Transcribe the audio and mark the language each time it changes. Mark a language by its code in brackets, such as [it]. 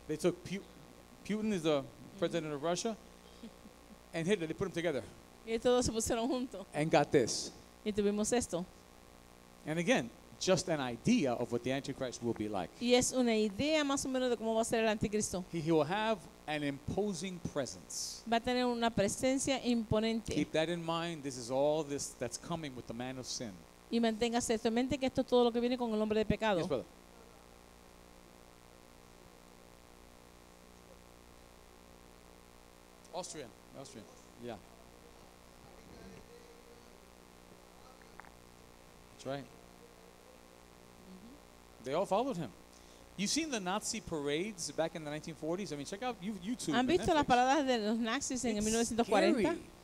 [en] They took Putin is the president of Russia, and Hitler. They put them together. [es] Y estos dos se pusieron juntos. [en] And got this. [es] Y tuvimos esto. [en] And again, just an idea of what the Antichrist will be like. [es] Y es una idea más o menos de cómo va a ser el anticristo. [en] He will have an imposing presence. [es] Va a tener una presencia imponente. [en] Keep that in mind. This is all this that's coming with the man of sin. [es] Y manténgase en mente que esto es todo lo que viene con el hombre de pecado. [en] Yes, brother. Austrian. Yeah. That's right. They all followed him. You've seen the Nazi parades back in the 1940s? I mean, check out YouTube. [es] ¿Han visto las paradas de los nazis en 1940?